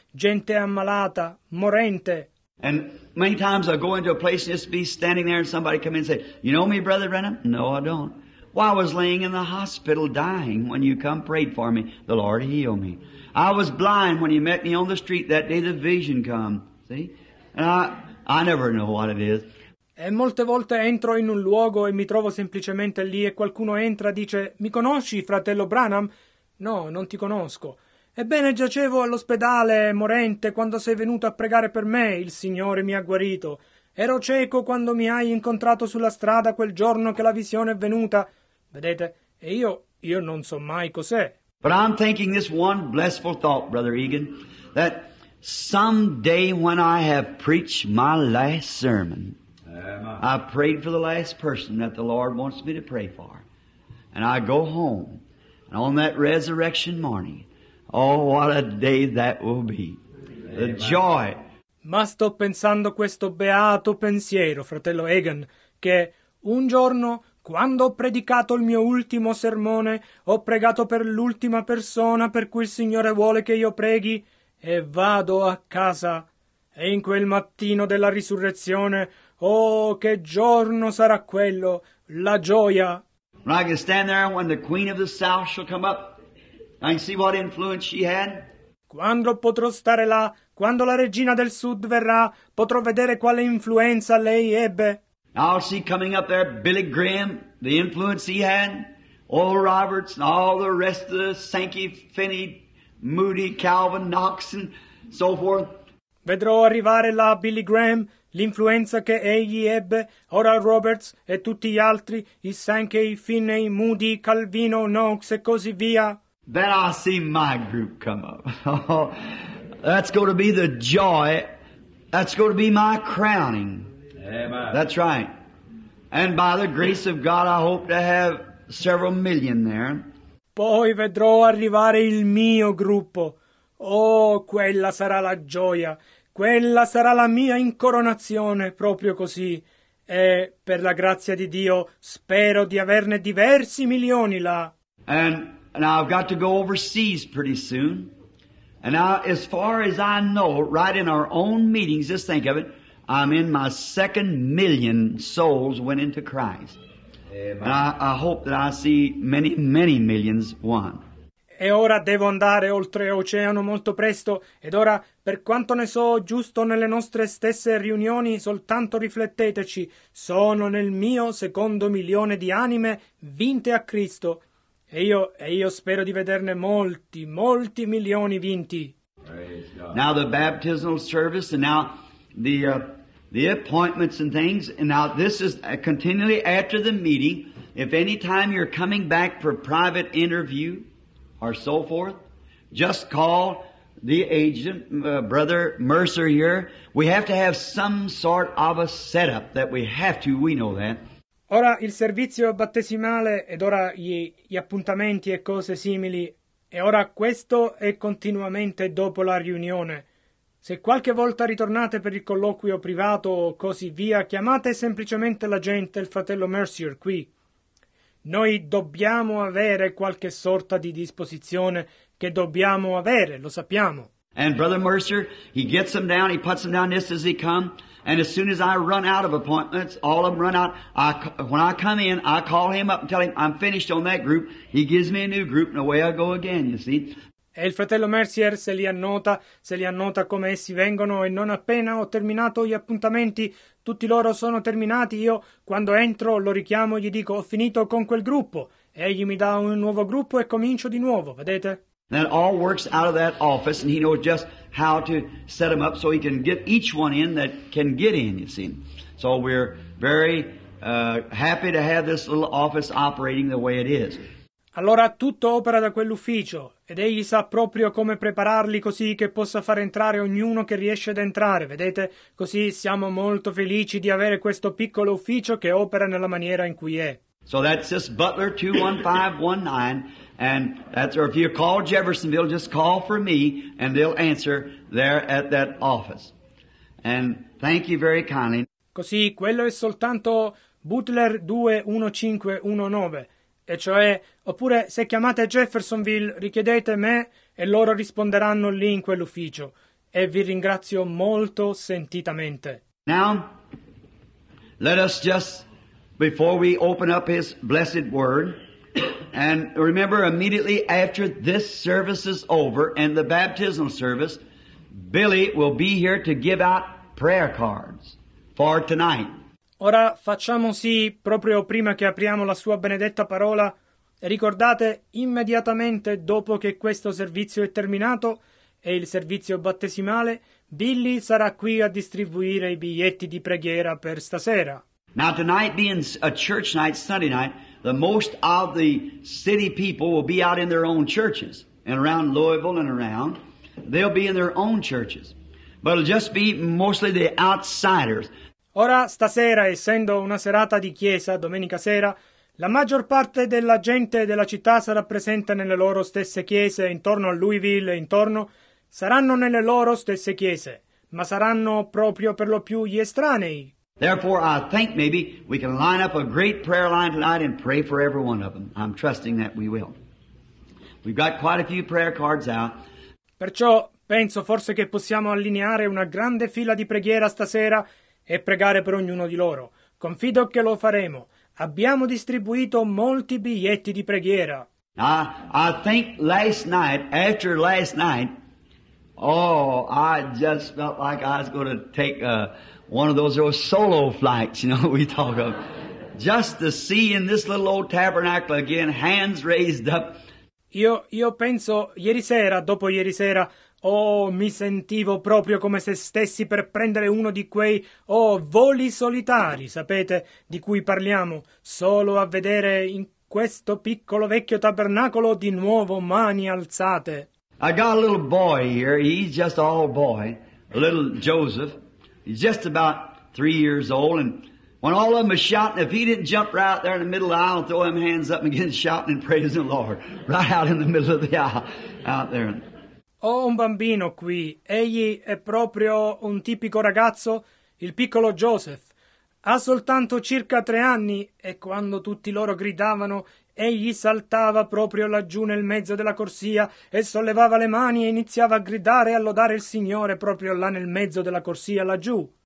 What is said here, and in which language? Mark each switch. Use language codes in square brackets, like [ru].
[it] Gente ammalata, morente. [en] And many times I go into a place and just be standing there and somebody come in and say, "You know me, Brother Branham?" "No, I don't." "Well, I was laying in the hospital dying when you come prayed for me. The Lord healed me. I was blind when you met me on the street that day the vision come." See? And I never know what it is. [it] E molte volte entro in un luogo e mi trovo semplicemente lì e qualcuno entra e dice, "Mi conosci, fratello Branham?" "No, non ti conosco." "Ebbene, giacevo all'ospedale, morente, quando sei venuto a pregare per me, il Signore mi ha guarito. Ero cieco quando mi hai incontrato sulla strada quel giorno che la visione è venuta." Vedete, e io non so mai cos'è. [en] But I'm thinking this one blessful thought, Brother Egan, that someday when I have preached my last sermon, I prayed for the last person that the Lord wants me to pray for, and I go home, and on that resurrection morning, oh, what a day that will be. The joy. [it] Ma sto pensando questo beato pensiero, fratello Egan, che un giorno, quando ho predicato il mio ultimo sermone, ho pregato per l'ultima persona per cui il Signore vuole che io preghi, e vado a casa. E in quel mattino della risurrezione, oh, che giorno sarà quello, la gioia. [en] When I can stand there when the Queen of the South shall come up, I can see what influence she had. [it] Quando potrò stare là, quando la regina del sud verrà, potrò vedere quale influenza lei ebbe. [en] I'll see coming up there Billy Graham, the influence he had, Oral Roberts and all the rest of the Sankey, Finney, Moody, Calvin, Knox and so forth. [it] Vedrò arrivare là Billy Graham, l'influenza che egli ebbe, Oral Roberts e tutti gli altri, i Sankey, Finney, Moody, Calvino, Knox e così via. [en] Then I'll see my group come up. That's going to be the joy. That's going to be my crowning. Amen. That's right. And by the grace of God, I hope to have several million there. [it] Poi vedrò arrivare il mio gruppo. Oh, quella sarà la gioia. Quella sarà la mia incoronazione, proprio così. E per la grazia di Dio, spero di averne diversi milioni là. [en] And I've got to go overseas pretty soon. And now, as far as I know, right in our own meetings, just think of it, I'm in my second million souls went into Christ. Amen. And I hope that I see many, many millions won. [it] E ora devo andare oltreoceano molto presto, ed ora, per quanto ne so, giusto nelle nostre stesse riunioni, soltanto rifletteteci, sono nel mio secondo milione di anime vinte a Cristo. E io spero di vederne molti, molti milioni vinti. [en] Now the baptismal service, and now the appointments and things, and now this is continually after the meeting. If any time you're coming back for private interview or so forth, just call the agent, Brother Mercer here. We have to have some sort of a setup that we have to, we know that. [it] Ora il servizio battesimale ed ora gli appuntamenti e cose simili, e ora questo è continuamente dopo la riunione. Se qualche volta ritornate per il colloquio privato o così via, chiamate semplicemente l'agente, il fratello Mercer, qui. Noi dobbiamo avere qualche sorta di disposizione che dobbiamo avere, lo sappiamo. [en] And Brother Mercer, he gets them down, he puts them down just as he come. And as soon as I run out of appointments, all of them run out, when I come in, I call him up and tell him I'm finished on that group. He gives me a new group and away I go again, you see. [it] E il fratello Mercier se li annota come essi vengono, e non appena ho terminato gli appuntamenti, tutti loro sono terminati, io quando entro lo richiamo e gli dico ho finito con quel gruppo. Egli mi dà un nuovo gruppo e comincio di nuovo, vedete? [en] That all works out of that office, and he knows just how to set them up so he can get each one in that can get in, you see. So we're very happy to have this little office operating the way it is. [it] Allora tutto opera da quell'ufficio, ed egli sa proprio come prepararli così che possa far entrare ognuno che riesce ad entrare, vedete? Così siamo molto felici di avere questo piccolo ufficio che opera nella maniera in cui è. [en] So that's just Butler 21519, and that's, or if you call Jeffersonville, just call for me, and they'll answer there at that office. And thank you very kindly. [it] Così, quello è soltanto Butler 21519, e cioè, oppure se chiamate Jeffersonville, richiedete me, e loro risponderanno lì in quell'ufficio. E vi ringrazio molto sentitamente. [en] Now, let us just... before we open up his blessed word, and remember, immediately after this service is over and the baptismal service, Billy will be here to give out prayer cards for tonight. [it] Ora facciamo sì, proprio prima che apriamo la sua benedetta parola, ricordate, immediatamente dopo che questo servizio è terminato e il servizio battesimale, Billy sarà qui a distribuire i biglietti di preghiera per stasera. [en] Now tonight being a church night, Sunday night, the most of the city people will be out in their own churches and around Louisville and around. They'll be in their own churches, but it'll just be mostly the outsiders. [it] Ora stasera, essendo una serata di chiesa, domenica sera, la maggior parte della gente della città sarà presente nelle loro stesse chiese intorno a Louisville e intorno, saranno nelle loro stesse chiese, ma saranno proprio per lo più gli estranei. [en] Therefore, I think maybe we can line up a great prayer line tonight and pray for every one of them. I'm trusting that we will. We've got quite a few prayer cards out. [it] Perciò penso forse che possiamo allineare una grande fila di preghiera stasera e pregare per ognuno di loro. Confido che lo faremo. Abbiamo distribuito molti biglietti di preghiera. [en] I think last night, after last night, oh, I just felt like I was going to take a... one of those solo flights, you know, we talk of. Just to see in this little old tabernacle again, hands raised up. [it] Io penso, ieri sera, dopo ieri sera, oh, mi sentivo proprio come se stessi per prendere uno di quei, oh, voli solitari, sapete, di cui parliamo, solo a vedere in questo piccolo vecchio tabernacolo di nuovo mani alzate. [en] I got a little boy here, he's just all boy, a little Joseph. He's just about 3 years old, and when all of them are shouting, if he didn't jump right out there in the middle of the aisle and throw them hands up and begin shouting and praising the Lord, right out in the middle of the aisle, out there. [it] Ho un bambino qui. Egli è proprio un tipico ragazzo, il piccolo Joseph. Ha soltanto circa 3 anni, e quando tutti loro gridavano, egli saltava proprio laggiù nel mezzo della corsia e sollevava le mani e iniziava a gridare e a lodare il Signore proprio là nel mezzo della corsia laggiù.